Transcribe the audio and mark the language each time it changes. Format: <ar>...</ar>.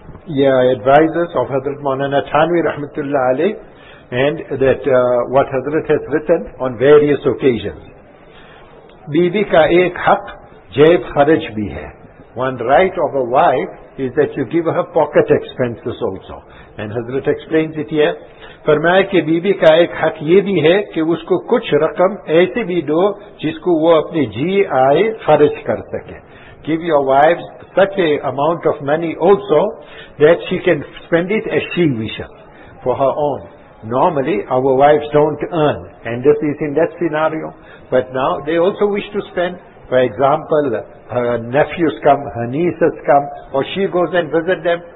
<en>advisors of Hazrat Maulana Thanvi Rahmatullah Alay, and that what Hazrat has written on various occasions.</en> <ur>Bibi ka ek haq jayb kharaj bhi hai.</ur> <en>One right of a wife is that you give her pocket expenses also. And Hazrat explains it here.</en> <ur>فرمایا کہ be be کا ایک حق یہ بھی ہے کہ اس کو کچھ رقم ایسے بھی دو جس کو وہ اپنے جی آئے خرچ کر سکے.</ur> <en>Give your wife such a amount of money also that she can spend it as she wishes for her own. Normally our wives don't earn, and this is in that scenario, but now they also wish to spend. For example, her nephews come, her nieces come, or she goes and visit them.</en>